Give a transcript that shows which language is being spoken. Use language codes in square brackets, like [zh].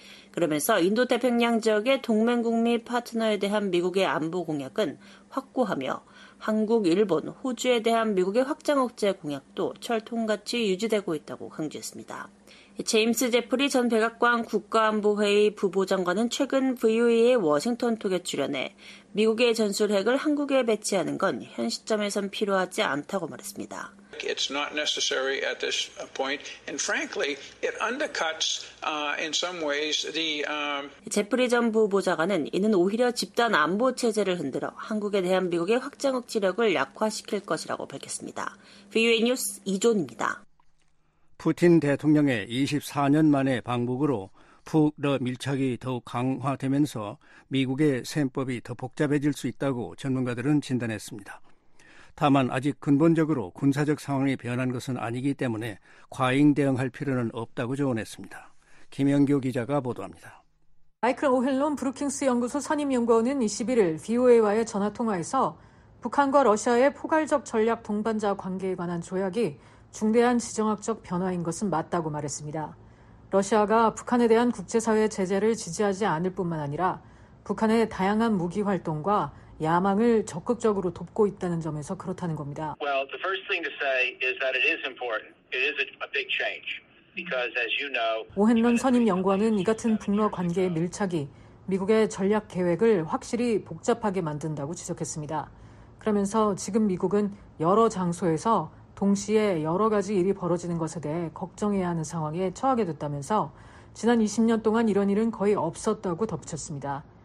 [ko] 그러면서 인도태평양 지역의 동맹국 및 파트너에 대한 미국의 안보 공약은 확고하며 한국, 일본, 호주에 대한 미국의 확장 억제 공약도 철통같이 유지되고 있다고 강조했습니다. 제임스 제프리 전 백악관 국가안보회의 부보장관은 최근 VOA의 워싱턴 톡에 출연해 미국의 전술핵을 한국에 배치하는 건 현 시점에선 필요하지 않다고 말했습니다. [en] It's not necessary at this point, and frankly, it undercuts in some ways the. [ko] 제프리 전 부보좌관은 이는 오히려 집단 안보 체제를 흔들어 한국에 대한 미국의 확장 억지력을 약화시킬 것이라고 밝혔습니다. VOA 뉴스 이존입니다. 푸틴 대통령의 24년 만의 방북으로 북러 밀착이 더욱 강화되면서 미국의 셈법이 더 복잡해질 수 있다고 전문가들은 진단했습니다. 다만 아직 근본적으로 군사적 상황이 변한 것은 아니기 때문에 과잉 대응할 필요는 없다고 조언했습니다. 김영규 기자가 보도합니다. 마이클 오헬론 브루킹스 연구소 선임연구원은 21일 VOA와의 전화통화에서 북한과 러시아의 포괄적 전략 동반자 관계에 관한 조약이 중대한 지정학적 변화인 것은 맞다고 말했습니다. 러시아가 북한에 대한 국제사회 제재를 지지하지 않을 뿐만 아니라 북한의 다양한 무기 활동과 야망을 적극적으로 돕고 있다는 점에서 그렇다는 겁니다. [en] Well, the first thing to say is that it is important. It is a big change. Because as you know, [ko] 오헨런 선임 연구원은 이 같은 북러 관계의 밀착이 미국의 전략 계획을 확실히 복잡하게 만든다고 지적했습니다. 그러면서 지금 미국은 여러 장소에서 동시에 여러 가지 일이 벌어지는 것에 대해 걱정해야 하는 상황에 처하게 됐다면서 지난 20년 동안 이런 일은 거의 없었다고 덧붙였습니다.